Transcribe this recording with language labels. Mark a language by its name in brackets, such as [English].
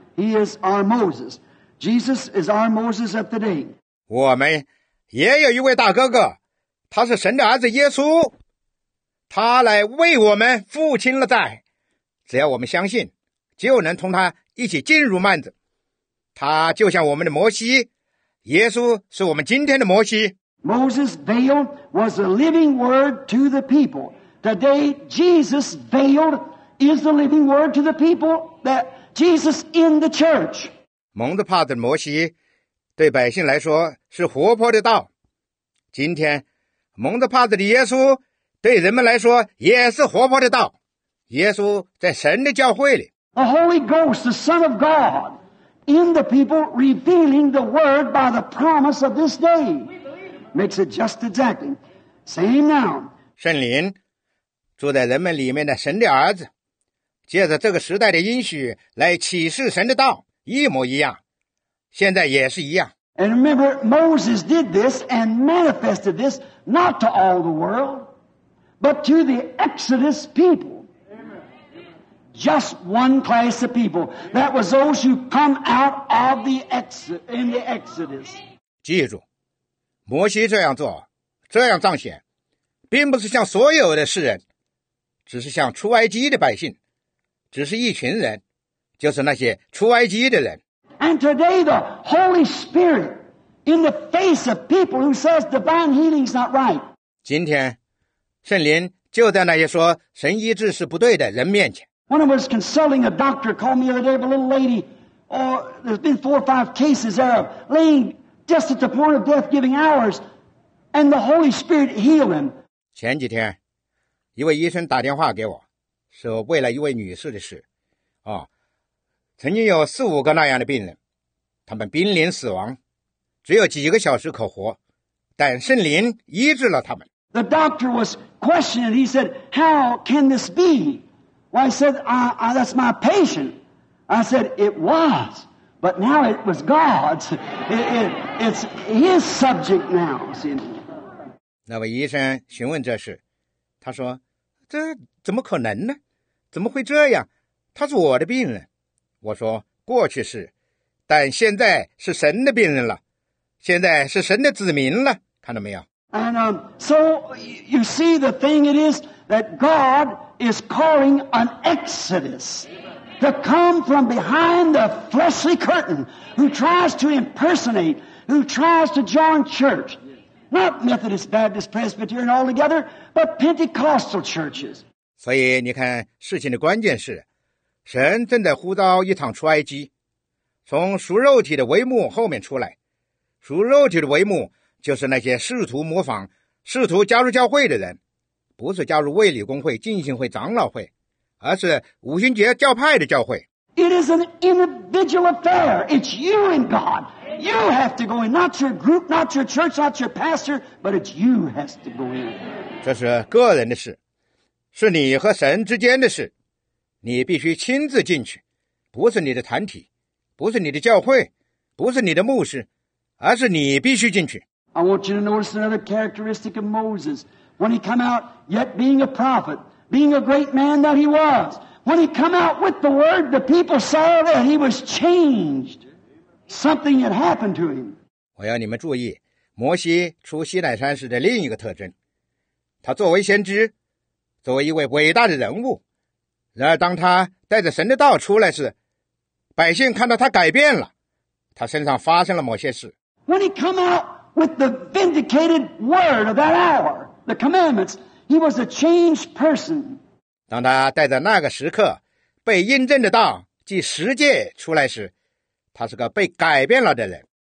[English] He is our Moses. Jesus is our Moses of today. [Chinese] 我们也有一位大哥哥，他是神的儿子耶稣，他来为我们付清了债，只要我们相信，就能同他一起进入幔子。他就像我们的摩西，耶稣是我们今天的摩西。 [English] Moses' veil was the living word to the people. Today, Jesus' veil is the living word to the people that Jesus in the church. [Chinese] 蒙着帕子的摩西，对百姓来说是活泼的道。今天，蒙着帕子的耶稣，对人们来说也是活泼的道。耶稣在神的教会里。 [English] The Holy Ghost, the Son of God. In the people revealing the word by the promise of this day. Makes it just exactly. Same now. [Chinese] 圣灵住在人们里面的神的儿子，借着这个时代的应许来启示神的道，一模一样，现在也是一样。 [English] And remember, Moses did this and manifested this not to all the world, but to the Exodus people. Just one class of people. That was those who come out of the Exodus. [Chinese] 记住，摩西这样做，这样彰显，并不是向所有的世人，只是向出埃及的百姓，只是一群人，就是那些出埃及的人。 [English] And today the Holy Spirit, in the face of people who says divine healing is not right. [Chinese] 今天，圣灵就在那些说神医治是不对的人面前。 [English] One of us consulting a doctor called me the other day of a little lady, oh, there's been four or five cases there of laying just at the point of death giving hours, and the Holy Spirit healed him. [Chinese] 前几天，一位医生打电话给我，是为了一位女士的事，哦，曾经有四五个那样的病人，他们濒临死亡，只有几个小时可活，但圣灵医治了他们。 [English] The doctor was questioned, he said, how can this be? Well, I said, that's my patient. I said, it was, but now it was God's. It's his subject now, see. [Chinese] 那位医生询问这事，他说，这怎么可能呢？怎么会这样？他是我的病人。我说，过去是，但现在是神的病人了，现在是神的子民了，看到没有？ [English] And so you see the thing it is that God... is calling an exodus to come from behind the fleshly curtain who tries to impersonate, who tries to join church. Not Methodist, Baptist, Presbyterian all together, but Pentecostal churches. [Chinese] 所以你看，事情的关键是，神正在呼召一趟出埃及，从属肉体的帷幕后面出来。属肉体的帷幕就是那些试图模仿、试图加入教会的人，不是加入卫理公会、浸信会、长老会，而是五旬节教派的教会。 [English] It is an individual affair. It's you and God. You have to go in, not your group, not your church, not your pastor, but it's you has to go in. [Chinese] 这是个人的事，是你和神之间的事，你必须亲自进去，不是你的团体，不是你的教会，不是你的牧师，而是你必须进去。 [English] I want you to notice another characteristic of Moses. When he come out, yet being a prophet, being a great man that he was, when he come out with the word, the people saw that he was changed. Something had happened to him. [Chinese] 我要你们注意，摩西出西乃山时的另一个特征。他作为先知，作为一位伟大的人物，然而当他带着神的道出来时，百姓看到他改变了，他身上发生了某些事。 [English] When he come out with the vindicated word of that hour, the commandments, he was a changed person. [Chinese] 当他带着那个时刻被印证的道，即十诫出来时，他是个被改变了的人。